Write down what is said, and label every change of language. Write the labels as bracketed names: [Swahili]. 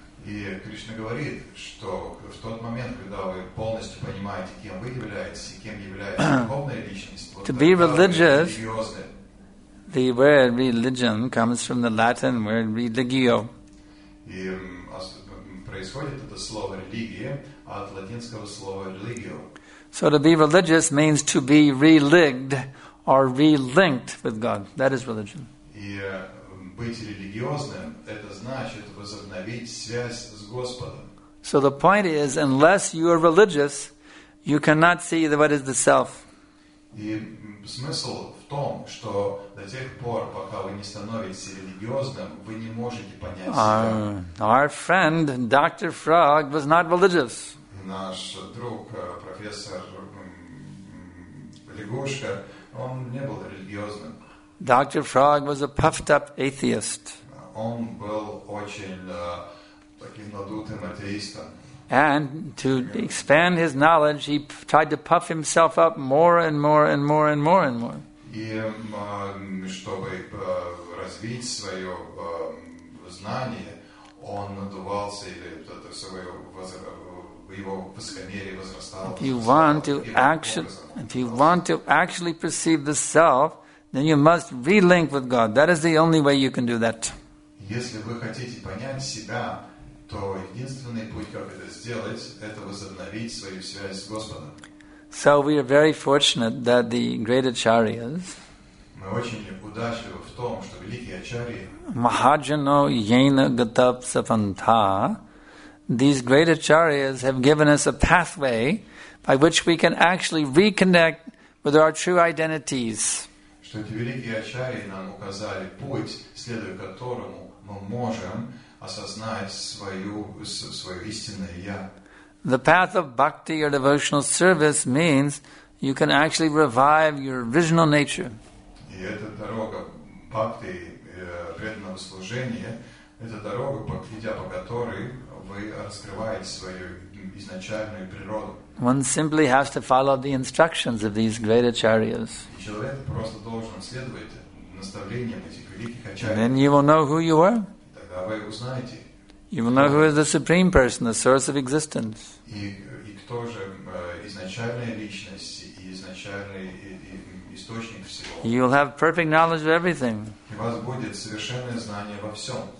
[Russian] И Кришна говорит, что в тот момент, когда вы полностью понимаете, кем вы являетесь и кем является духовная личность, вот [English] to be religious, the word religion comes from the Latin word religio. [Russian] И происходит это слово религия от латинского слова religio. [English] So to be religious means to be religged or relinked with God. That is religion. [Russian] И быть религиозным – это значит возобновить связь с Господом. [English] So the point is, unless you are religious, you cannot see what is the self. [Russian] И смысл в том, что до тех пор, пока вы не становитесь религиозным, вы не можете понять себя. [English] Our friend, Dr. Frog, was not religious. [Russian] И наш друг, профессор Лягушка, он не был религиозным. [English] Dr. Frog was a puffed-up atheist. [Russian] Он был очень таким надутым атеистом. [English] And to expand his knowledge, he tried to puff himself up more and more and more and more and more. [Russian] И чтобы развить свое знание, он надувался или это свое его высокомерие возрастало. [English] If you want to actually perceive the self, then you must relink with God. That is the only way you can do that. [Russian] Если вы хотите понять себя, то единственный путь, как это сделать, это возобновить свою связь с Господом. [English] So we are very fortunate that the great acharyas, [Russian] мы очень удачливы в том, что великие ачарьи, [English] Mahajano Yena Gatapsapanta, these great acharyas have given us a pathway by which we can actually reconnect with our true identities. [Russian] Что эти великие ачарьи нам указали путь, следуя которому мы можем осознать свое истинное я. [English] The path of bhakti or devotional service means you can actually revive your original nature. [Russian] И эта дорога бхакти преданного служения, это дорога, идя по которой вы раскрываете свою изначальную природу. [English] One simply has to follow the instructions of these great acharyas. [Russian] И человек просто должен следовать наставлениям этих великих ачарьев. [English] And then you will know who you are. [Russian] Тогда вы узнаете. [English] You will know who is the Supreme Person, the source of existence. [Russian] И кто же изначальная личность и изначальный источник всего. [English] You will have perfect knowledge of everything. [Russian] У вас будет совершенное знание во всем.